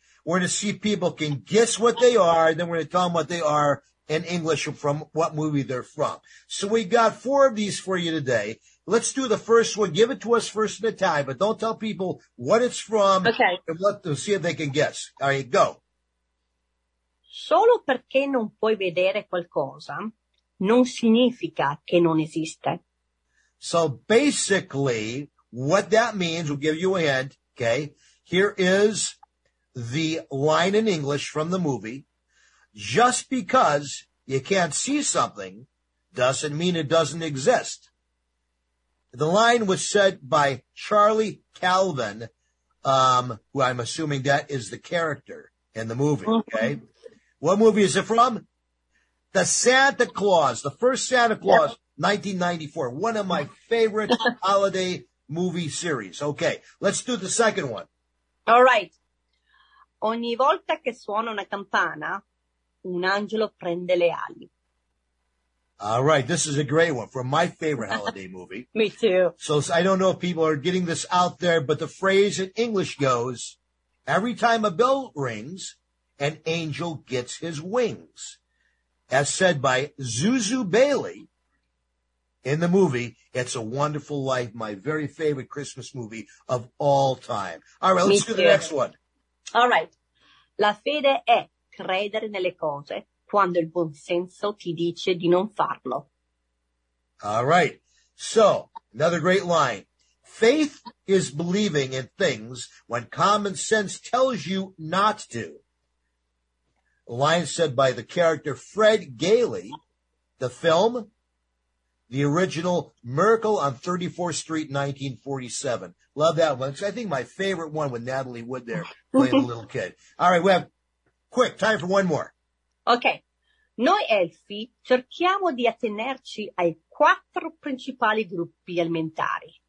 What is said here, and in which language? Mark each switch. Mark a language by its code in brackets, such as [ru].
[en] We're going to see people can guess what they are. Then we're going to tell them what they are in English from what movie they're from. So we got 4 of these for you today. Let's do the first one. Give it to us first in Italian, but don't tell people what it's from. Okay. And let them see if they can guess. All right, go. [it] Solo perché non puoi vedere qualcosa non significa che non esiste. [en] So basically, what that means, we'll give you a hint, okay? Here is the line in English from the movie. Just because you can't see something doesn't mean it doesn't exist. The line was said by Charlie Calvin, who I'm assuming that is the character in the movie, okay? What movie is it from? The Santa Claus, the first Santa Claus, 1994. One of my favorite holiday movie series. Okay, let's do the second one. All right. [it] Ogni volta che suona una campana, un angelo prende le ali. [en] All right, this is a great one from my favorite holiday movie. Me too. So I don't know if people are getting this out there, but the phrase in English goes, every time a bell rings, an angel gets his wings, as said by Zuzu Bailey in the movie It's a Wonderful Life, my very favorite Christmas movie of all time. All right, let's do the next one. All right. [it] La fede è credere nelle cose quando il buon senso ti dice di non farlo. [en] All right. So, another great line. Faith is believing in things when common sense tells you not to. A line said by the character Fred Gailey, the film, the original Miracle on 34th Street, 1947. Love that one. It's, I think, my favorite one with Natalie Wood there playing a little kid. All right, we have quick time for one more. Okay. [it] Noi elfi cerchiamo di attenerci ai 4 principali gruppi alimentari.